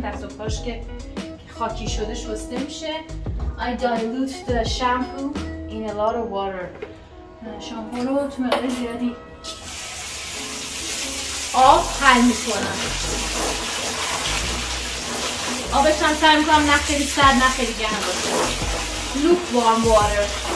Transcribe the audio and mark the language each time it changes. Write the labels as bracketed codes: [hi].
[fa] دست و پاش که خاکی شده شسته میشه. [en] I dilute the shampoo in a lot of water. [fa] شامپو رو تو مقدار زیادی آب حل میکنم. آبش هم سر میکنم نه خیلی سرد نه خیلی گرم باشه. [en] Lukewarm water.